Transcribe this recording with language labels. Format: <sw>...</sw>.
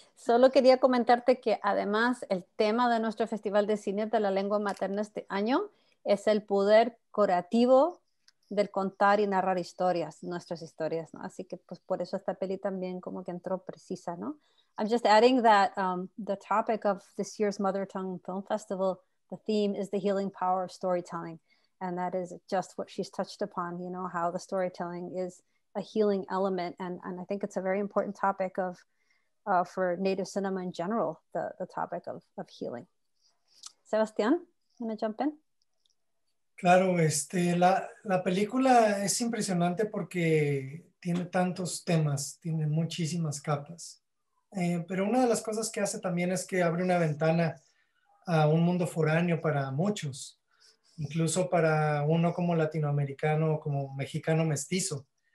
<es>Solo quería comentarte que además el tema de nuestro Festival de Cine de la Lengua Materna este año es el poder curativo del contar y narrar historias, nuestras historias, ¿no? Así que pues por eso esta peli también como que entró precisa, ¿no?</es> <en>I'm just adding that the topic of this year's Mother Tongue Film Festival, the theme is the healing power of storytelling. And that is just what she's touched upon, you know, how the storytelling is a healing element. And I think it's a very important topic of for Native cinema in general, the topic of healing. Sebastián, want to jump in?</en> <es>Claro, la película es impresionante porque tiene tantos temas, tiene muchísimas capas. Pero una de las cosas que hace también es que abre una ventana a un mundo foráneo para muchos, incluso para uno como latinoamericano o como mexicano mestizo.</es>